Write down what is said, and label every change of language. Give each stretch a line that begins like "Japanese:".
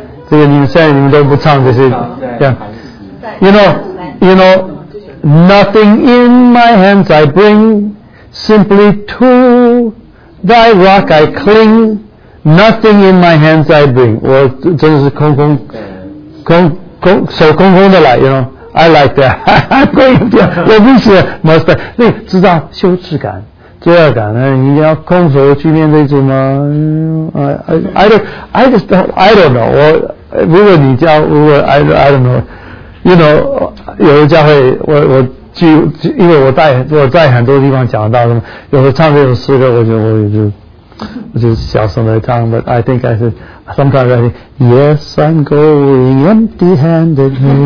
Chinese: 这个你们现在你们都不唱这些，这样。
English: You know, nothing in my hands I bring, simply to thy rock I cling. Nothing in my hands I bring.
Chinese: 我真的是手空空的来
English: ，you know. I like that.
Chinese: 可以这样，我必须
English: must.
Chinese: 你知道羞耻感。罪恶感呢？你要空手去面对主吗？
English: I don't know.
Chinese: 我如果你教，如果
English: I don't know. You know，
Chinese: 有的教会我去，因为我在很多地方讲到什么，有时候唱这种诗歌，我就小声的唱。
English: But I think I said sometimes I think yes I'm going empty handed.